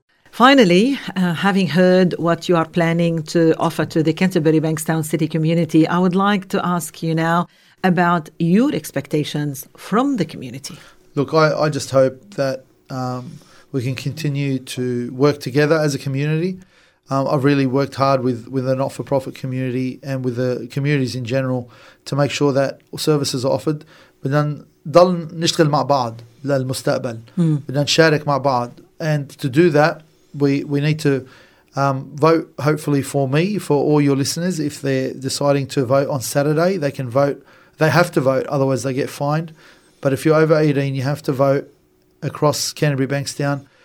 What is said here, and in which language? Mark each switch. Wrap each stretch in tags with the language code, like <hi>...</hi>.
<en>Finally, having heard what you are planning to offer to the Canterbury Bankstown City community, I would like to ask you now about your expectations from the community. Look, I just hope that we can continue to work together as a community. I've really worked hard with the not-for-profit community and with the communities in general to make sure that services are offered.</en> <ar>بدنا نشتغل مع بعض للمستقبل. بدنا نشارك مع بعض.</ar> <en>And to do that, We need to vote, hopefully, for me, for all your listeners. If they're deciding to vote on Saturday, they can vote. They have to vote, otherwise they get fined. But if you're over 18, you have to vote across Canterbury Bankstown.</en>